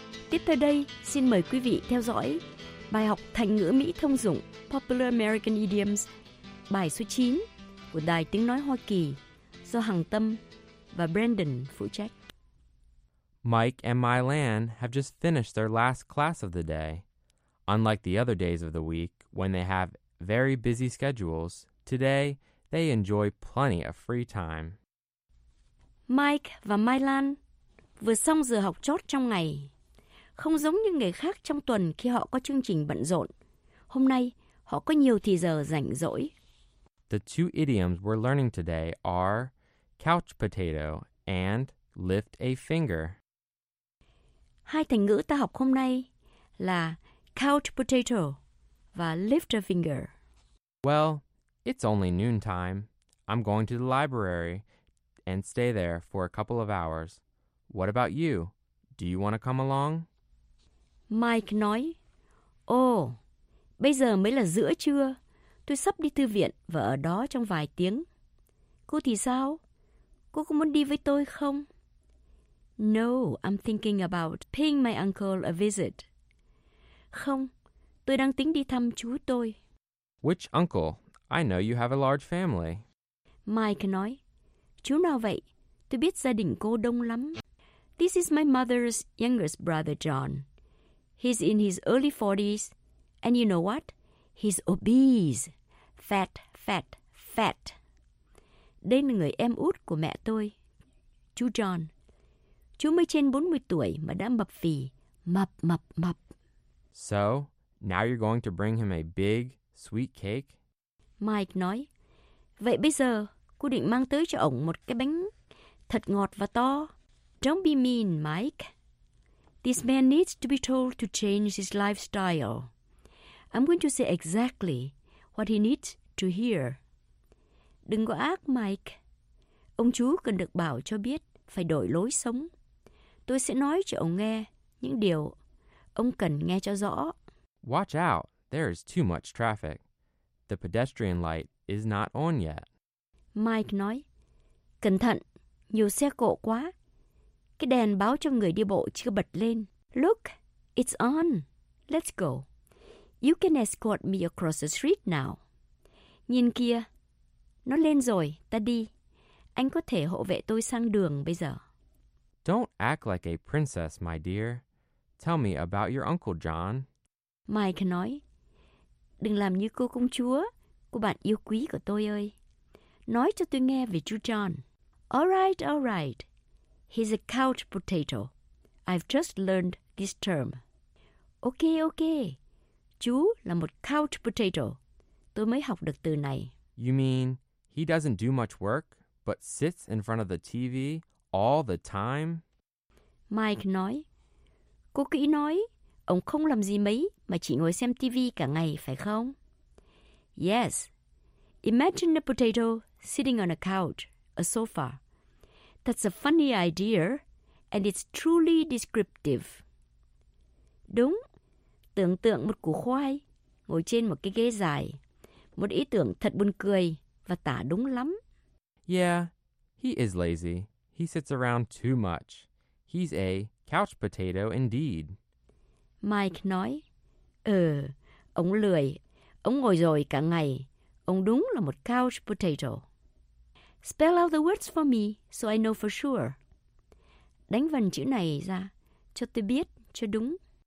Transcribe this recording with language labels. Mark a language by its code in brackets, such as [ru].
[vi] Tiếp theo đây, xin mời quý vị theo dõi bài học thành ngữ Mỹ thông dụng Popular American Idioms, bài số 9 của Đài Tiếng Nói Hoa Kỳ do Hằng Tâm và Brandon phụ trách. [en] Mike and Mylan have just finished their last class of the day. Unlike the other days of the week, when they have very busy schedules, today they enjoy plenty of free time. [vi] Mike và Mylan vừa xong giờ học chót trong ngày. Không giống như ngày khác trong tuần khi họ có chương trình bận rộn, hôm nay họ có nhiều thì giờ rảnh rỗi. [en] The two idioms we're learning today are couch potato and lift a finger. [vi] Hai thành ngữ ta học hôm nay là couch potato và lift a finger. [en] Well, it's only noontime. I'm going to the library and stay there for a couple of hours. What about you? Do you want to come along? [vi] Mike nói, bây giờ mới là giữa trưa. Tôi sắp đi thư viện và ở đó trong vài tiếng. Cô thì sao? Cô có muốn đi với tôi không? [en] No, I'm thinking about paying my uncle a visit. [vi] Không, tôi đang tính đi thăm chú tôi. [en] Which uncle? I know you have a large family. [vi] Mike nói, chú nào vậy? Tôi biết gia đình cô đông lắm. [en] This is my mother's youngest brother, John. He's in his early 40s, and you know what? He's obese. Fat, fat, fat. [vi] Đây là người em út của mẹ tôi, chú John. Chú mới trên 40 tuổi mà đã mập phì, mập, mập, mập. [en] So, now you're going to bring him a big, sweet cake? [vi] Mike nói, vậy bây giờ, cô định mang tới cho ổng một cái bánh thật ngọt và to. [en] Don't be mean, Mike. This man needs to be told to change his lifestyle. I'm going to say exactly what he needs to hear. [vi] Đừng có ác, Mike. Ông chú cần được bảo cho biết phải đổi lối sống. Tôi sẽ nói cho ông nghe những điều ông cần nghe cho rõ. [en] Watch out, there is too much traffic. The pedestrian light is not on yet. [vi] Mike nói, cẩn thận, nhiều xe cộ quá. Cái đèn báo cho người đi bộ chưa bật lên. [en] Look, it's on. Let's go. You can escort me across the street now. [vi] Nhìn kia. Nó lên rồi, ta đi. Anh có thể hộ vệ tôi sang đường bây giờ. [en] Don't act like a princess, my dear. Tell me about your uncle John. [vi] Mike nói. Đừng làm như cô công chúa, cô bạn yêu quý của tôi ơi. Nói cho tôi nghe về chú John. [en] All right, all right. He's a couch potato. I've just learned this term. Okay, okay. [vi] Chú là một couch potato. Tôi mới học được từ này. [en] You mean he doesn't do much work, but sits in front of the TV all the time? [vi] Mike nói. Cô cứ nói, ông không làm gì mấy mà chỉ ngồi xem TV cả ngày, phải không? [en] Yes. Imagine a potato sitting on a couch, a sofa. That's a funny idea, and it's truly descriptive. [vi] Đúng. Tưởng tượng một củ khoai ngồi trên một cái ghế dài. Một ý tưởng thật buồn cười và tả đúng lắm. [en] Yeah, he is lazy. He sits around too much. He's a couch potato indeed. [vi] Mike nói, ông lười. Ông ngồi rồi cả ngày. Ông đúng là một couch potato. [en] Spell out the words for me so I know for sure. [vi] Đánh vần chữ này ra cho tôi biết cho đúng.